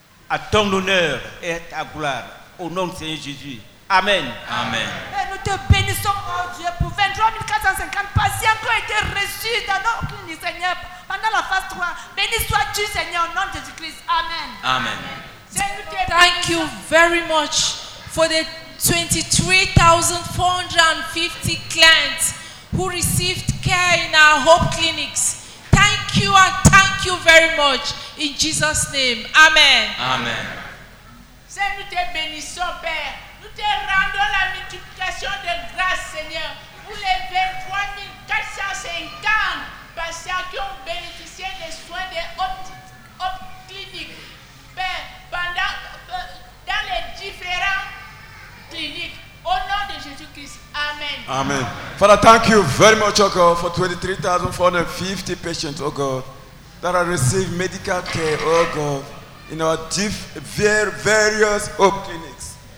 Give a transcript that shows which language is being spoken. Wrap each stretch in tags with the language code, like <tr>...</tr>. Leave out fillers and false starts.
<fr>À ton honneur et à ta gloire, au nom de Seigneur Jésus. Amen. Amen. Et nous te bénissons, oh Dieu, pour 23,450 patients qui ont été reçus dans nos cliniques, Seigneur, pendant la phase 3. Béni sois-tu, Seigneur, au nom de Jésus-Christ. Amen. Amen.</fr> <en>Thank you very much for the 23,450 clients who received care in our Hope Clinics. Thank you and thank you very much. In Jesus' name. Amen. Amen.</en> <fr>Seigneur, nous te bénissons, Père. Nous te rendons la multiplication de grâce, Seigneur, pour les 23,450 patients qui ont bénéficié des soins des Hope Clinics. Père, dans les différentes cliniques, au nom de Jésus-Christ. Amen. Amen.</fr> <en>Father, thank you very much, O God, for 23,450 patients, O God, that have received medical care, O God, in our various Hope Clinics.</en>